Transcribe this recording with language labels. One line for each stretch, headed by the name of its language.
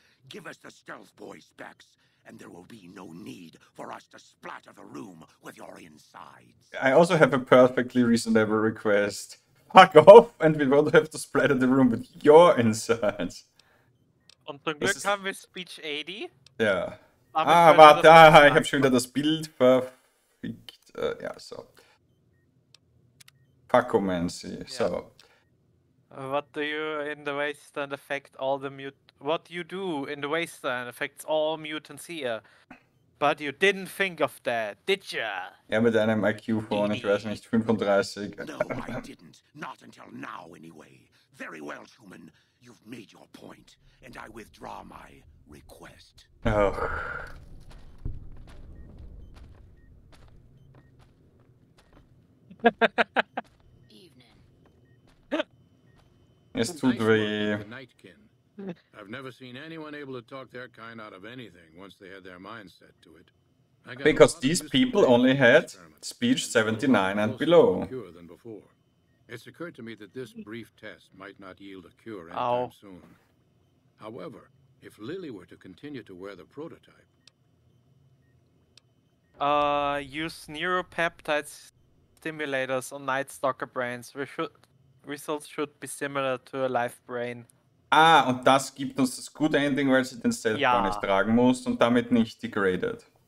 English: Give us the stealth boy specs, and there will be no need for us to splatter the room with your insides. I also have a perfectly reasonable request. Fuck off, and we won't have to splatter the room with your insides.
German: Und zum Glück haben wir Speech 80. Ja. Ah, warte, ich habe schon wieder das Bild verfickt. Ja, so.
English: Fuckomancy, yeah. So. What do you in the wasteland affect all the what you do in the wasteland affects all mutants here. But you didn't think of that, did ya?
German: Ja, mit einem IQ von, ich weiß nicht, 35.
English: No, I didn't. Not until now, anyway. Very well, human. You've made your point. And I withdraw my request. Oh.
German: Es tut weh.
English: I've never seen anyone able to talk their kind out of anything once they had their mind set to it. Because these people only had speech 79 and below. It's occurred to me that this brief test might not yield a cure anytime soon. However, if Lily were to continue to wear the prototype. Use neuropeptide stimulators on Night Stalker brains. We should. Results should be similar to a live brain.
German: Ah, und das gibt uns das gute Ending, weil sie den Stealth Boy nicht tragen muss und damit nicht degraded.